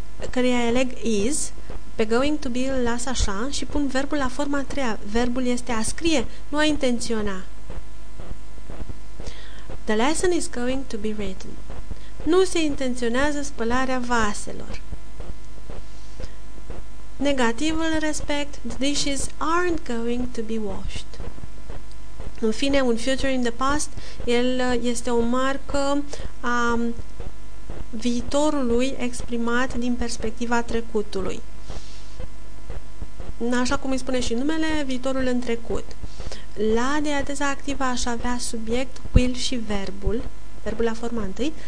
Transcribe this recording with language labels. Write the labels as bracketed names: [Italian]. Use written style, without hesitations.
[Romanian] Căreia aleg is, pe going to be îl las așa și pun verbul la forma a treia. Verbul este a scrie, nu a intenționa. [English] The lesson is going to be written. [Romanian] Nu se intenționează spălarea vaselor. Negativul respect, [English] the dishes aren't going to be washed. [Romanian] În fine, un future in the past, el este o marcă a viitorului exprimat din perspectiva trecutului. Așa cum îi spune și numele, viitorul în trecut. La diateza activă aș avea subiect, will și verbul, verbul la forma întâi.